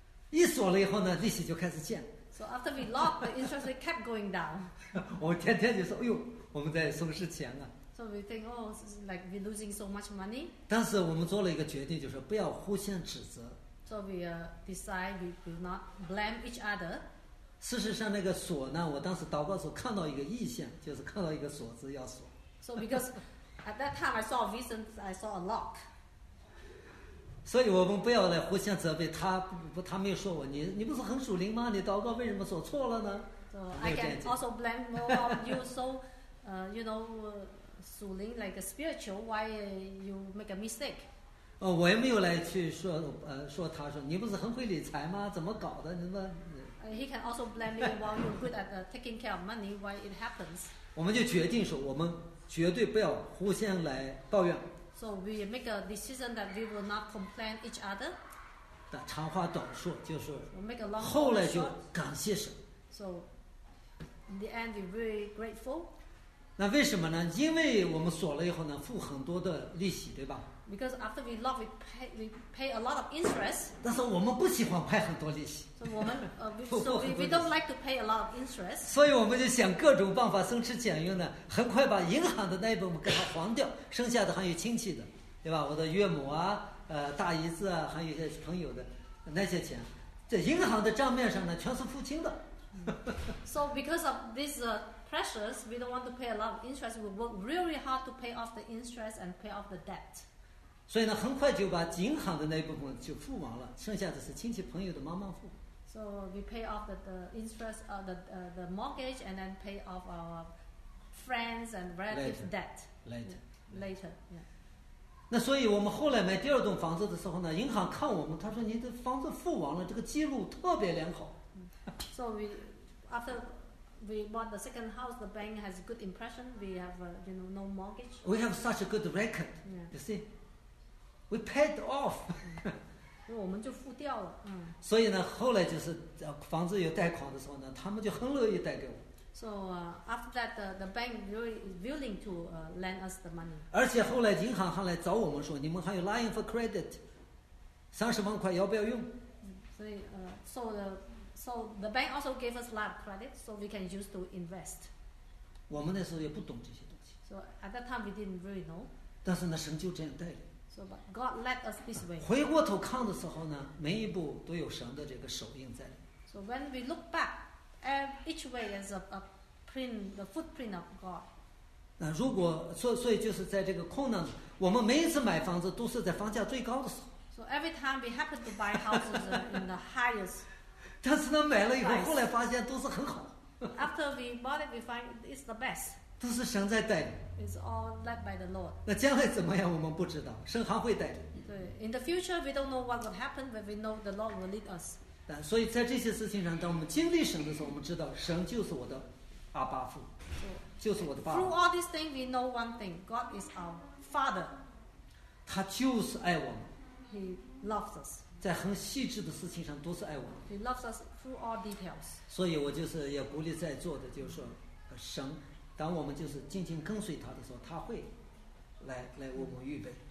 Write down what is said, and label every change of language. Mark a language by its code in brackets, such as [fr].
[zh] 一锁了以后呢，利息就开始降。 [en] So after we locked, the interest rate kept going down. [zh] 我天天就说，哎呦，我们在损失钱啊。 [en] So we think, oh, like we're losing so much money. [zh] 但是我们做了一个决定，就是不要互相指责。 [en] So we decide we will not blame each other. [zh] 事实上，那个锁呢，我当时祷告的时候看到一个意象，就是看到一个锁子要锁。 [en] So because at that time, I saw a vision. I saw a lock. [zh] 所以我们不要来互相责备他。他没有说我，你不是很属灵吗？你祷告为什么说错了呢 [en] ？So I can also blame more of you. So, you know, 属灵 like a spiritual. Why you make a mistake? [zh] 哦，我也没有来去说说他说你不是很会理财吗？怎么搞的？你们 [en] He can also blame me while you're good at taking care of money. Why it happens? [zh] 我们就决定说我们。绝对不要互相来抱怨。 [en] So we make a decision that we will not complain each other. [zh] 但长话短说，就是 [en] make a long [zh] 后来就感谢神。 [en] So in the end, we're very grateful. [zh] 那为什么呢？因为我们锁了以后呢，付很多的利息，对吧 [en] ？Because after we lock, we pay a lot of interest. [zh] 但是我们不喜欢拍很多利息。 [en] So [zh] 我们 [en] so we don't like to pay a lot of interest. [zh] 所以我们就想各种办法省吃俭用呢，很快把银行的那一部分给它还掉，剩下的还有亲戚的，对吧？我的岳母啊，大姨子啊，还有一些朋友的那些钱，在银行的账面上呢，全是付清的。 [en] So because of this pressures, we don't want to pay a lot of interest. We work really hard to pay off the interest and pay off the debt. [zh] 所以呢，很快就把银行的那一部分就付完了，剩下的是亲戚朋友的慢慢付。 [en] So we pay off the interest of the mortgage and then pay off our friends and relatives debt. Later. Yeah. [zh] 那所以我们后来买第二栋房子的时候呢，银行看我们，他说你的房子付完了，这个记录特别良好。 [en] So after we bought the second house, the bank has a good impression. We have no mortgage. We have such a good record. Yeah. You see. We paid off. [zh] 我们就付掉了。所以呢，后来就是房子有贷款的时候呢，他们就很乐意贷给我。 [en] So after that, the bank really is willing to lend us the money. [zh] 而且后来银行还来找我们说，你们还有 [en] line for credit, [zh] 30万块要不要用？ [en] So the bank also gave us a lot of credit, so we can use to invest. [zh] 我们那时候也不懂这些东西。 [en] So at that time we didn't really know. [zh] 但是呢，神就这样带领。 [en] So but God led us this way. [zh] 回过头看的时候呢，每一步都有神的这个手印在里。 [en] So when we look back. Each way is a print, the footprint of God. [zh] 那如果所以就是在这个困难，我们每一次买房子都是在房价最高的时候。 [en] So every time we happen to buy houses in the highest. [zh] 但是呢，买了以后，后来发现都是很好。 [en] After we bought it, we find it's the best. [zh] 都是神在带领。 [en] It's all led by the Lord. [zh] 那将来怎么样，我们不知道，神还会带领。对 [en] ，In the future, we don't know what will happen, but we know the Lord will lead us. [zh] 所以在这些事情上，当我们经历神的时候，我们知道神就是我的阿爸父，就是我的爸爸。 [en] Through all these things, we know one thing: God is our Father. [zh] 他就是爱我们。 [en] He loves us. [zh] 在很细致的事情上都是爱我们。 [en] He loves us through all details. [zh] 所以我就是也鼓励在座的，就是说，神，当我们就是静静跟随他的时候，他会来为我们预备。